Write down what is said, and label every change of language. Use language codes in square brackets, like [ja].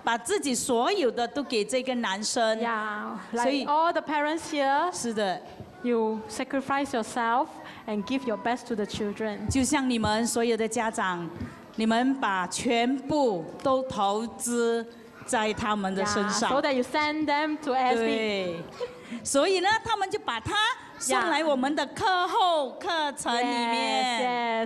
[zh] 是的,就好像这一棵树这样,他愿意给所有的,把自己所有的都给这个男生。 [en] Yeah, like all the parents here. [zh] 是的。 [en] You sacrifice yourself and give your best to the children. [zh] 就像你们所有的家长,你们把全部都投资。在他们的身上。 [en] So that you send them to ASB. [zh] 所以呢,他们就把他送来我们的课后课程里面。